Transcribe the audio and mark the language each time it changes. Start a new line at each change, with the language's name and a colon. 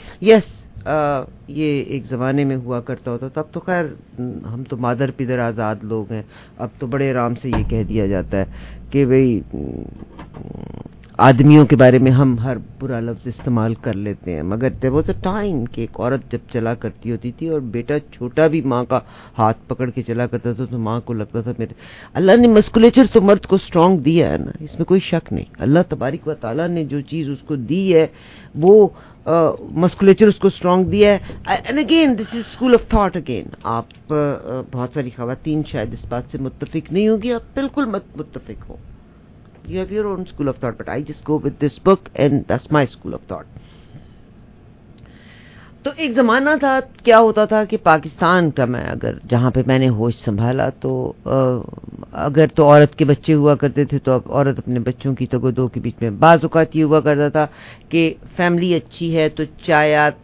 Urdu: یس، یہ ایک زمانے میں ہوا کرتا ہوتا تھا. اب تو خیر ہم تو مادر پدر آزاد لوگ ہیں، اب تو بڑے آرام سے یہ کہہ دیا جاتا ہے کہ بھئی آدمیوں کے بارے میں ہم ہر برا لفظ استعمال کر لیتے ہیں، مگر
English: there was a time
Urdu: کہ ایک عورت جب چلا کرتی ہوتی تھی اور بیٹا چھوٹا بھی ماں کا ہاتھ پکڑ کے چلا کرتا تھا تو ماں کو لگتا تھا میرے، اللہ نے مسکولیچر تو مرد کو اسٹرانگ دیا ہے نا، اس میں کوئی شک نہیں. اللہ تبارک و تعالیٰ نے جو چیز اس کو دی ہے وہ مسکولیچر اس کو اسٹرانگ دیا ہے.
English: And again this is school of thought again.
Urdu: آپ بہت ساری خواتین شاید اس بات سے متفق نہیں ہوگی، آپ بالکل مت متفق ہو.
English: You have your own school of thought, but I just go with this book and that's my school of thought.
Urdu: تو ایک زمانہ تھا، کیا ہوتا تھا کہ پاکستان کا، میں اگر جہاں پہ میں نے ہوش سنبھالا تو اگر تو عورت کے بچے ہوا کرتے تھے تو اب عورت اپنے بچوں کی تگ و دو کے بیچ میں، بعض اوقات یہ ہوا کرتا تھا کہ فیملی اچھی ہے تو چایا